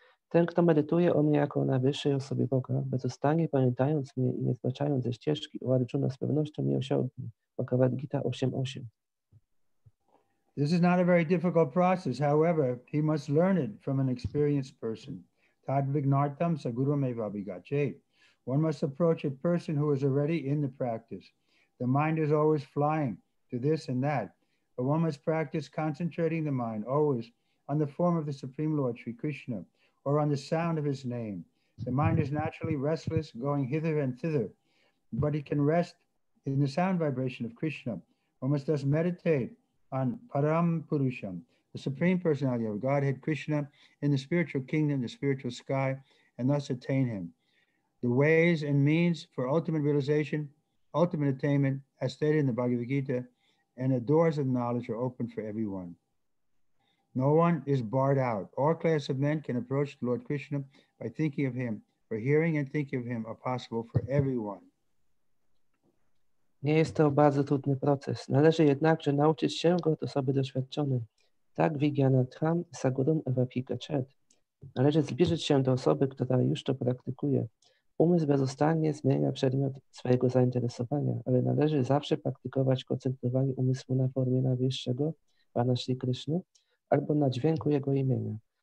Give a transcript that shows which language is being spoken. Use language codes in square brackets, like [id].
[pl] Ten, kto medytuje o mnie jako najwyższej osobie Boga, bezustannie pamiętając mnie i nie zbaczając ze ścieżki, o Arjuna z pewnością nie osiągnie. [en] Bhagavad Gita 8.8. This is not a very difficult process. However, he must learn it from an experienced person. [sa] Tad vignartam sagurum eva abhigacheta. [en] One must approach a person who is already in the practice. The mind is always flying to this and that, but one must practice concentrating the mind always on the form of the Supreme Lord, Sri Krishna, or on the sound of his name. The mind is naturally restless, going hither and thither, but it can rest in the sound vibration of Krishna. One must thus meditate on Param Purusham, the Supreme Personality of Godhead, Krishna, in the spiritual kingdom, the spiritual sky, and thus attain him. The ways and means for ultimate realization, ultimate attainment, as stated in the Bhagavad Gita, and the doors of knowledge are open for everyone. No one is barred out. All class of men can approach the Lord Krishna by thinking of him, for hearing and thinking of him are possible for everyone. [pl] Nie jest to bardzo trudny proces. Należy jednakże nauczyć się go od osoby doświadczonej. [sa] Tak Vigyanatham Sagurum Evapika Chet. [pl] Należy zbliżyć się do osoby, która już to praktykuje. Umysł bezustannie zmienia przedmiot swojego zainteresowania, ale należy zawsze praktykować koncentrowanie umysłu na formie najwyższego Pana Śri Kryszny albo na dźwięku jego imienia.